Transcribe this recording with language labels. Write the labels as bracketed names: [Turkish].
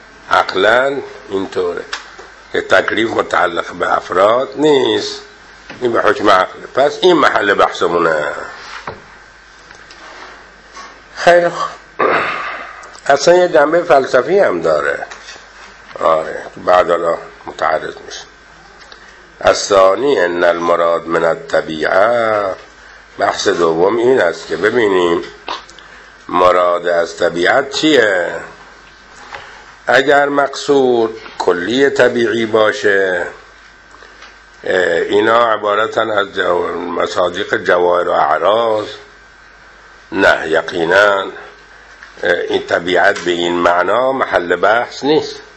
[Persian] عقلا اینطوره که تکلیف متعلق به افراد نیست، این به حکم عقل. پس این محل بحثمونه. خیر، اصلا یه جنبه فلسفی هم داره. آره، بعد حالا متعرض میشه. [Arabic] الثانی ان المراد من الطبیعه. [Persian] بحث دوم این است که ببینیم مراد از طبیعت چیه. اگر مقصود کلی طبیعی باشه، اینا عبارتن از مصادیق جواهر و اعراض، نه یقینا این طبیعت به این معنا محل بحث نیست.